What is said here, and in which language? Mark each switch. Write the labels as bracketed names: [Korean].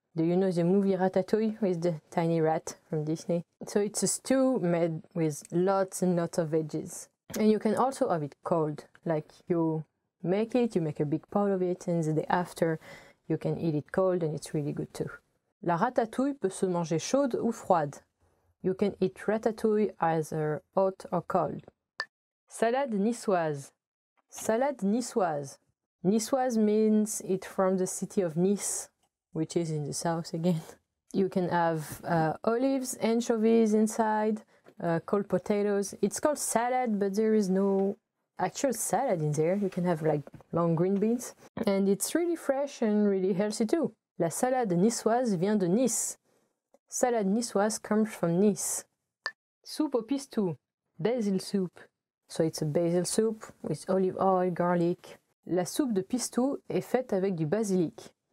[English] Do you know the movie Ratatouille with the tiny rat from Disney? So it's a stew made with lots and lots of veggies. And you can also have it cold, like you make it, you make a big pot of it, and the day after, you can eat it cold and it's really good too. [French] La ratatouille peut se manger chaude ou froide. [English] You can eat ratatouille either hot or cold. [French] Salade niçoise. Salade niçoise. [English] Niçoise means it's from the city of Nice, which is in the south again. You can have olives, anchovies inside, cold potatoes. It's called salad, but there is no actual salad in there. You can have like long green beans. And it's really fresh and really healthy too. [French] La salade niçoise vient de Nice. [English] Salade niçoise comes from Nice. [French] Soup au pistou. [English] Basil soup. So it's a basil soup with olive oil, garlic. [French] La soupe de pistou est faite avec du basilic.